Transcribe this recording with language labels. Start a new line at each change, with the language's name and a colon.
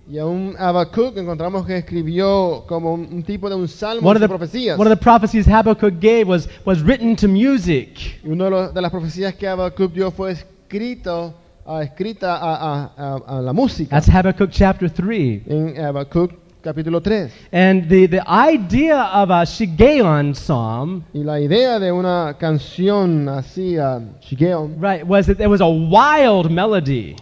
Spanish: Y un Habakkuk encontramos que escribió como un tipo de un salmo en sus profecías.
English: One of the prophecies Habakkuk gave was written to music.
Spanish: Y una de las profecías que Habakkuk dio fue escrita a la música.
English: That's Habakkuk chapter 3.
Spanish: En Habakkuk capítulo 3.
English: And the idea of a Shigeon psalm.
Spanish: Y la idea de una canción así, Shigeon.
English: Right, was that there was a wild melody.